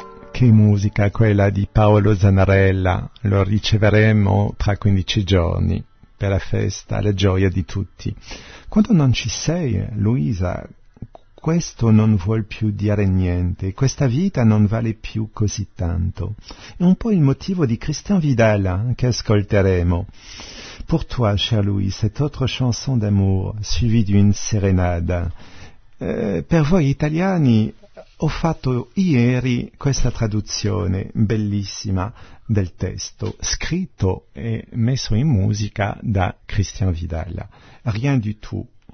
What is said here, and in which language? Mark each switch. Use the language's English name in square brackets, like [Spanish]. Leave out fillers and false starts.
[Italian] Che musica quella di Paolo Zanarella, lo riceveremo tra 15 giorni per la festa, la gioia di tutti. Quando non ci sei, Luisa, questo non vuol più dire niente, questa vita non vale più così tanto. È un po' il motivo di Christian Vidal che ascolteremo. [French] Pour toi, cher Louis, cette autre chanson d'amour suivie d'une sérénade. [Italian] Per voi italiani, ho fatto ieri questa traduzione bellissima del testo, scritto e messo in musica da Christian Vidal. [French] Rien du tout.